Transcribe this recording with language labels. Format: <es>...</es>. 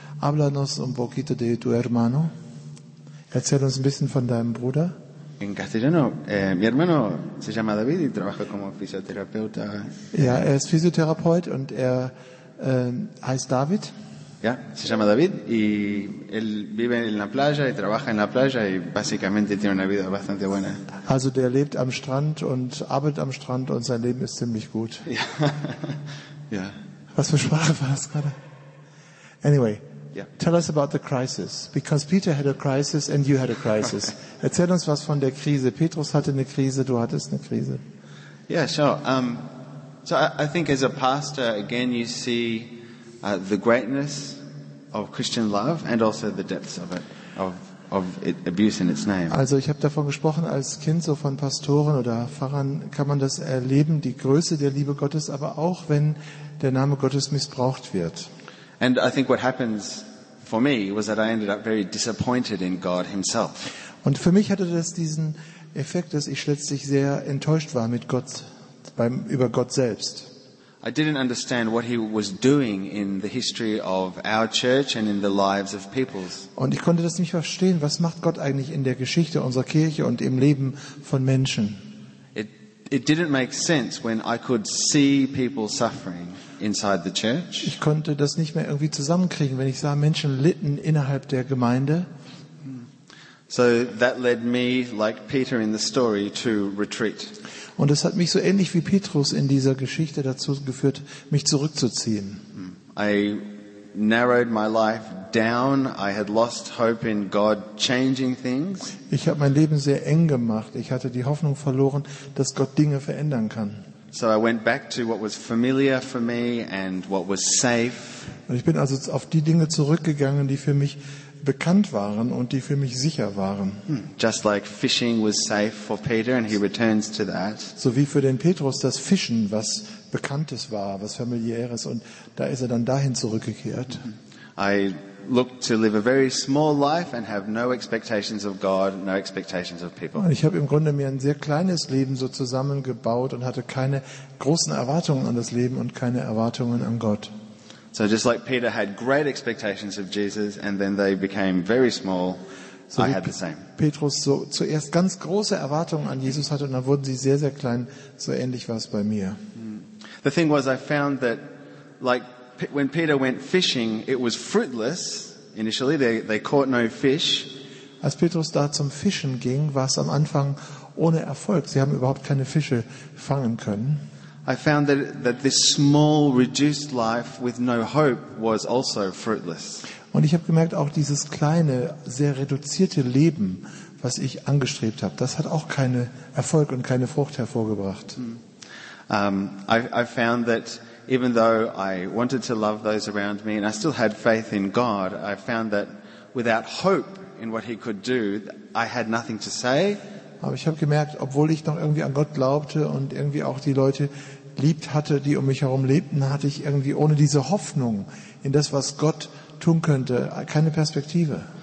<es>Háblanos un poquito de tu hermano.</es> <de>Erzähl uns ein bisschen von deinem Bruder.</de> <es>En castellano, mi hermano se llama David y trabaja como fisioterapeuta.</es> <de>Ja, er ist Physiotherapeut und er heißt David.</de> <es>Ja, se llama David y él vive en la playa y trabaja en la playa y básicamente tiene una vida bastante buena.</es> <de>Also der lebt am Strand und arbeitet am Strand und sein Leben ist ziemlich gut. Ja. Ja. Was für Sprache war das gerade?</de> <en>Anyway, ja. Tell us about the crisis, because Peter had a crisis and you had a crisis.</en> <de>Erzähl uns was von der Krise. Petrus hatte eine Krise, du hattest eine Krise.</de> <en>Yeah, sure. So I think as a pastor, again, you see the greatness of Christian love and also the depths of it, of it, abuse in its name.</en> <de>Also ich habe davon gesprochen, als Kind so von Pastoren oder Pfarrern kann man das erleben, die Größe der Liebe Gottes, aber auch wenn der Name Gottes missbraucht wird.</de> <en>And I think what happens for me was that I ended up very disappointed in God himself.</en> <de>Und für mich hatte das diesen Effekt, dass ich letztlich sehr enttäuscht war mit Gott, über Gott selbst.</de> <en>I didn't understand what he was doing in the history of our church and in the lives of peoples.</en> <de>Und ich konnte das nicht verstehen, was macht Gott eigentlich in der Geschichte unserer Kirche und im Leben von Menschen?</de> <en>It didn't make sense when I could see people suffering inside the church.</en> <de>Ich konnte das nicht mehr irgendwie zusammenkriegen, wenn ich sah, Menschen litten innerhalb der Gemeinde.</de> <en>So that led me, like Peter in the story, to retreat.</en> <de>Und es hat mich so ähnlich wie Petrus in dieser Geschichte dazu geführt, mich zurückzuziehen.</de> <en>I narrowed my life down. I had lost hope in God changing things.</en> <de>Ich habe mein Leben sehr eng gemacht. Ich hatte die Hoffnung verloren, dass Gott Dinge verändern kann.</de> <en>So I went back to what was familiar for me and what was safe.</en> <de>Und ich bin also auf die Dinge zurückgegangen, die für mich bekannt waren und die für mich sicher waren.</de> <en>Just like fishing was safe for Peter and he returns to that.</en> <de>So wie für den Petrus das Fischen was Bekanntes war, was Familiäres und da ist er dann dahin zurückgekehrt.</de> <en>I look to live a very small life and have no expectations of God, no expectations of people.</en> <de>Und ich habe im Grunde mir ein sehr kleines Leben so zusammengebaut und hatte keine großen Erwartungen an das Leben und keine Erwartungen an Gott.</de> <en>So just like Peter had great expectations of Jesus and then they became very small, so I had the same.</en> <de>Petrus so zuerst ganz große Erwartungen an Jesus hatte und dann wurden sie sehr sehr klein, so ähnlich war es bei mir.</de> <en>The thing was I found that like when Peter went fishing it was fruitless initially, they caught no fish.</en> <de>Als Petrus da zum Fischen ging, war es am Anfang ohne Erfolg. Sie haben überhaupt keine Fische fangen können.</de> <en>I found that this small reduced life with no hope was also fruitless.</en> <de>Und ich habe gemerkt, auch dieses kleine, sehr reduzierte Leben, was ich angestrebt habe, das hat auch keinen Erfolg und keine Frucht hervorgebracht.</de> <en>I found that even though I wanted to love those around me and I still had faith in God, I found that without hope in what he could do, I had nothing to say.</en> <de>Aber ich habe gemerkt, obwohl ich noch irgendwie an Gott glaubte und irgendwie auch die Leute liebt hatte, die um mich herum lebten, hatte ich irgendwie ohne diese Hoffnung in das, was Gott tun könnte, keine Perspektive.</de>